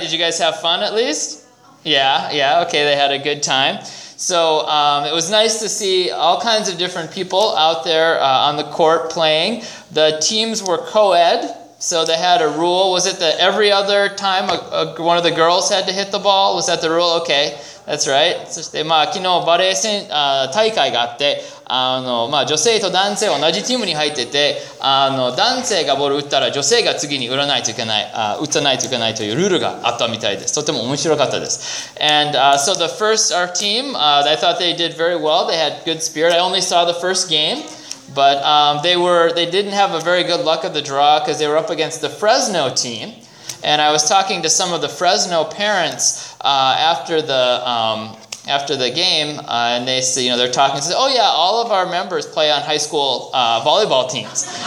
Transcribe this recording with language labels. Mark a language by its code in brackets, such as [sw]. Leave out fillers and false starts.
[en] Did you guys have fun at least? Yeah, okay, they had a good time. So it was nice to see all kinds of different people out there on the court playing. The teams were co-ed. So they had a rule. Was it that every other time one of the girls had to hit the ball? Was that the rule? Okay, that's right. [ja] そして、まあ、昨日バレー戦、大会があって、まあ、女性と男性同じチームに入ってて、男性がボール打ったら女性が次に打たないといけないというルールがあったみたいです。とても面白かったです。 [en] And so the first, our team, I thought they did very well. They had good spirit. I only saw the first game. But they didn't have a very good luck of the draw because they were up against the Fresno team. And I was talking to some of the Fresno parents after the game, and they said, you know, they're talking, says, oh yeah, all of our members play on high school volleyball teams.